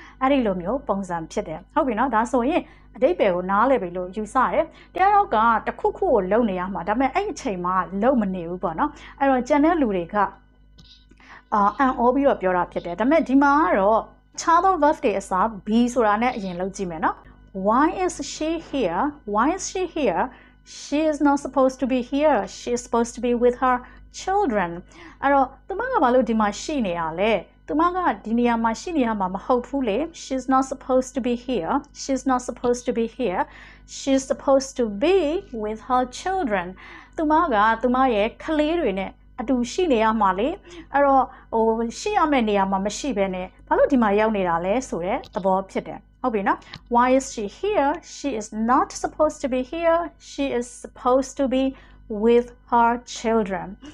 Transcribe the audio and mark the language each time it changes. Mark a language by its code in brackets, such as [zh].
[my] အဲ့ဒီလိုမျိုးပုံစံဖြစ်တယ်။ဟုတ်ပြီနော်။ဒါဆိုရင်အတိတ်ပဲကိုနားလည်ပြီလို့ယူဆရတယ်။တရားတော့ကတခုခုကိုလုံနေရမှာဒါပေမဲ့အဲ့အချိန်မှာလုံမနေဘူးပေါ့နော်။အဲ့တော့ကြံတဲ့လူတွေကအံ့ဩပြီးတော့ပြောတာဖြစ်တယ်။ဒါပေမဲ့ဒီမှာကတော့ child of verb တွေအစား be ဆိုတာနဲ့အရင်လုံးကြည့်မယ်နော်။ [en] Why is she here? Why is she here? She is not supposed to be here. She is supposed to be with her children. [my] အဲ့တော့သူမကဘာလို့ဒီမှာရှိနေရလဲ။သူမကဒီနေရာမှာရှိနေရမှာမဟုတ်ဘူးလေ [en] she's not supposed to be here she's not supposed to be here she's supposed to be with her children [my] သူမကသူမရဲ့ကလေးတွေနဲ့အတူရှိနေရမှာလေအဲ့တော့ဟိုရှိရမယ့်နေရာမှာမရှိဘဲနဲ့ဘာလို့ဒီမှာရောက်နေတာလဲဆိုတဲ့သဘောဖြစ်တယ်ဟုတ်ပြီနော် [en] why is she here she is not supposed to be here she is supposed to be with her children